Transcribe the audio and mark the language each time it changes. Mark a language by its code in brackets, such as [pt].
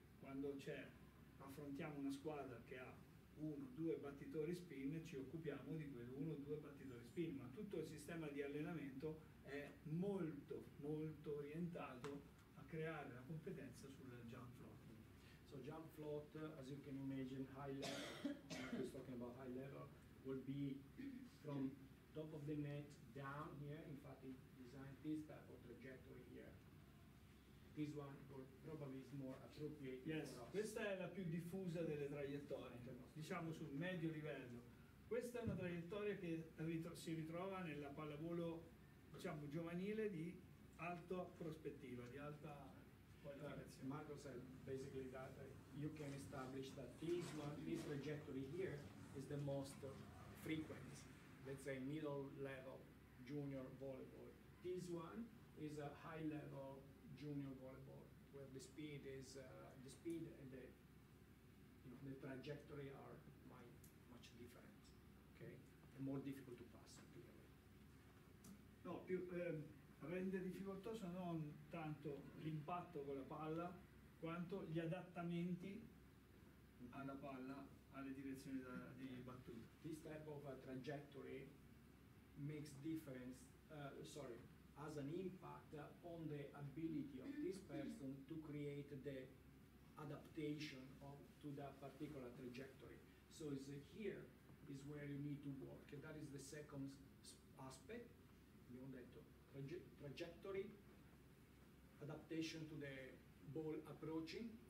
[it] Quando affrontiamo una squadra che ha uno o due battitori spin, ci occupiamo di quell'uno o due battitori spin, ma tutto il sistema di allenamento è molto molto orientato a creare la competenza sul jump float. [en] So jump float, as you can imagine, high level, just talking about high level, will be from top of the net down here. In fact, it designed this type of trajectory here. This one probably is more appropriate. Yes, for us. [it] Questa è la più diffusa delle traiettorie, diciamo sul medio livello. Questa è una traiettoria che si ritrova nella pallavolo, diciamo, giovanile di alta prospettiva, di alta qualificazione. [en] Marco said basically that you can establish that this one, this trajectory here, is the most frequent, let's say middle level junior volleyball. This one is a high level junior volleyball, where the speed is the speed and the, you know, the trajectory are much different, okay? And more difficult to pass, clearly. [it] No, più rende difficoltoso non tanto l'impatto con la palla, quanto gli adattamenti alla palla, alle direzioni di battuta. [en] This type of trajectory makes difference, has an impact on the ability of this person to create the adaptation to that particular trajectory. So it's here is where you need to work. And that is the second aspect, [it] abbiamo detto, [en] trajectory, adaptation to the ball approaching.